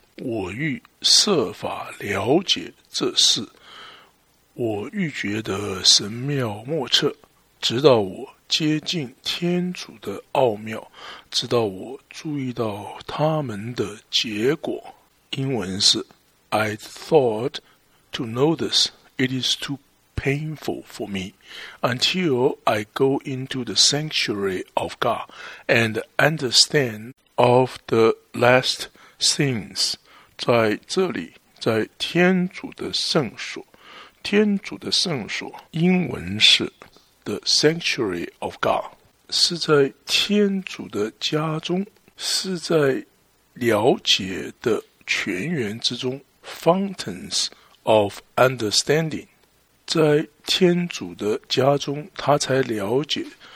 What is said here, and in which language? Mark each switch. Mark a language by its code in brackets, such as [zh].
[zh] 我欲设法了解这事，我欲觉得神妙莫测，直到我接近天主的奥妙，直到我注意到他们的结果。英文是 [en] I thought to know this, it is too painful for me, until I go into the sanctuary of God and understand of the last things. [zh] 在这里，在天主的圣所，天主的圣所，英文是 [en] the sanctuary of God, [zh] 是在天主的家中，是在了解的泉源之中， [en] fountains of understanding, [zh] 在天主的家中，他才了解